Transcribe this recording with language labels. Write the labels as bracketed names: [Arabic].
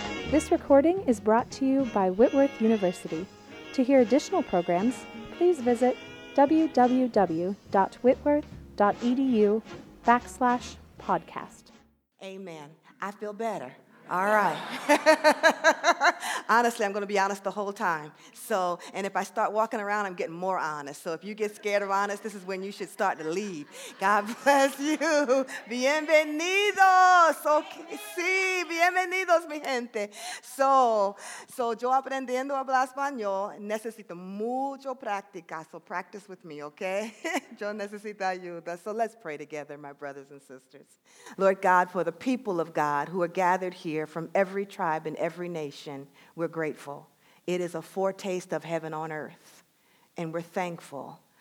[English] This recording is brought to you by Whitworth University. To hear additional programs, please visit www.whitworth.edu/podcast. Amen. I feel better. All right. Honestly, I'm going to be honest the whole time. So, and if I start walking around, I'm getting more honest. So if you get scared of honest, this is when you should start to leave. God bless you. Bienvenidos. Okay. [Spanish] Sí, bienvenidos, mi gente. So yo aprendiendo a hablar español, necesito mucho práctica. [English] So practice with me, okay? [Spanish] Yo necesito ayuda. [English] So let's pray together, my brothers and sisters. Lord God, for the people of God who are gathered here, from every tribe and every nation, we're grateful. It is a foretaste of heaven on earth, and we're thankful.